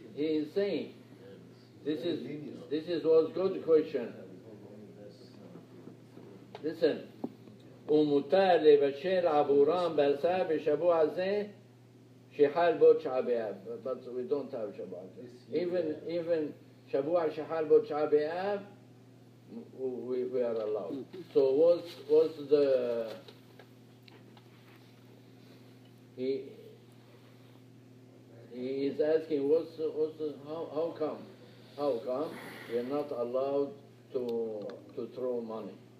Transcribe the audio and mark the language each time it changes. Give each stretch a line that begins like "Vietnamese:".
English: He is saying, This is was good question. Listen,
Hebrew: ומותר לבשל עבורם בשר בשבוע הזה שחל בו תשעה באב.
English: But we don't have
Hebrew: שבוע הזה.
English: Even
Hebrew: שבוע שחל בו תשעה באב,
English: we are allowed. So what's the he is asking how come? How come we are not allowed to throw money?